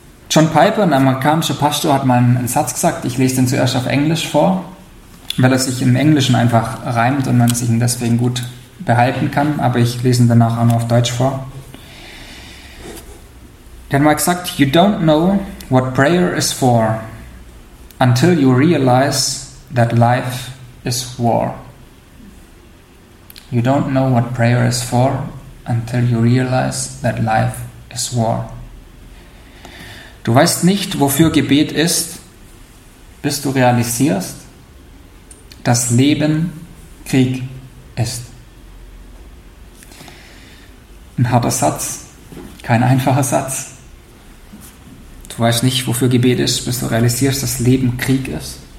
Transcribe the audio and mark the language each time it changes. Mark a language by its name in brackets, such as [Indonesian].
[German] John Piper, ein amerikanischer Pastor, hat mal einen Satz gesagt. Ich lese den zuerst auf Englisch vor, weil er sich im Englischen einfach reimt und man sich ihn deswegen gut behalten kann. Aber ich lese ihn danach auch noch auf Deutsch vor. Der hat mal gesagt, [English] "You don't know what prayer is for until you realize that life is war." You don't know what prayer is for until you realize that life is war. [German] Du weißt nicht, wofür Gebet ist, bis du realisierst, dass Leben Krieg ist. Ein harter Satz, kein einfacher Satz. Du weißt nicht, wofür Gebet ist, bis du realisierst, dass Leben Krieg ist.